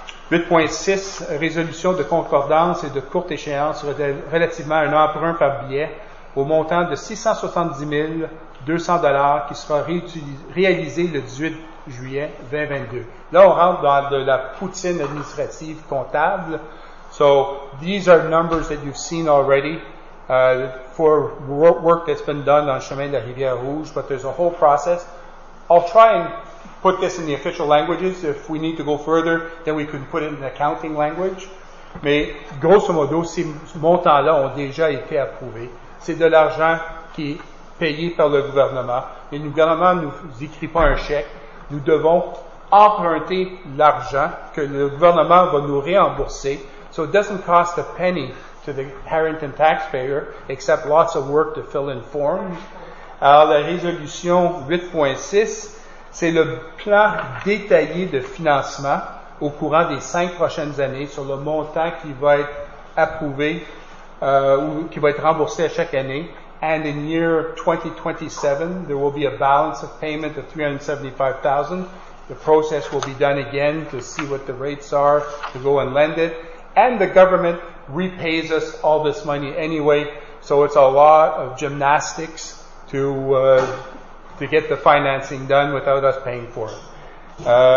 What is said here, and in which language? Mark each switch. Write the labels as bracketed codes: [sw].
[fr] 8.6, résolution de concordance et de courte échéance relativement à un emprunt par billet au montant de $670,200 qui sera réalisé le 18 juillet 2022. Là, on rentre dans de la poutine administrative comptable. [en] So, these are numbers that you've seen already for work that's been done on Chemin de la Rivière-Rouge, but there's a whole process. I'll try and put this in the official languages. If we need to go further, then we can put it in accounting language. [fr] Mais grosso modo, ces montants-là ont déjà été approuvés. C'est de l'argent qui est payé par le gouvernement. Et le gouvernement ne nous écrit pas un chèque. Nous devons emprunter l'argent que le gouvernement va nous rembourser. [en] So it doesn't cost a penny to the Harrington taxpayer, except lots of work to fill in forms. [fr] Alors, la résolution 8.6, c'est le plan détaillé de financement au courant des 5 prochaines années sur le montant qui va être approuvé ou qui va être remboursé à chaque année. [en] And in year 2027, there will be a balance of payment of $375,000. The process will be done again to see what the rates are to go and lend it. And the government repays us all this money anyway. So it's a lot of gymnastics to get the financing done without us paying for it.